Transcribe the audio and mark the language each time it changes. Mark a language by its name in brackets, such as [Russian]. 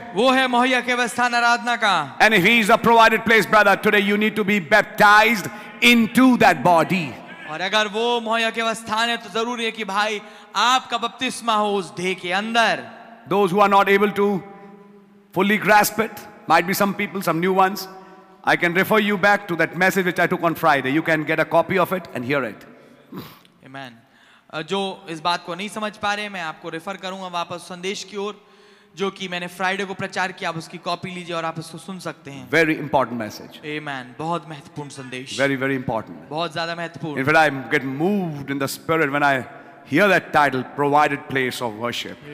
[Hindi] वो है मुहैया के स्थान आराधना का. [English] And if he is the provided place, brother, today you need to be baptized into that body. [Hindi] और अगर वो मुहैया के स्थान है तो जरूरी है कि भाई आपका बपतिस्मा हो उस देह के अंदर. [English] Those who are not able to fully grasp it, might be some people, some new ones. I can refer you back to that message which I took on Friday. You can get a copy of it and hear it. Amen. [Hindi] जो इस बात को नहीं समझ पा रहे मैं आपको रेफर करूंगा वापस संदेश की ओर जो कि मैंने फ्राइडे को प्रचार किया आप उसकी कॉपी लीजिए और आप उसको सुन सकते हैं [English] very important message [Hindi] आमेन बहुत महत्वपूर्ण संदेश [English] very very important [Hindi] बहुत ज्यादा महत्वपूर्ण [English] in fact I get moved in the spirit when I hear that title provided place of worship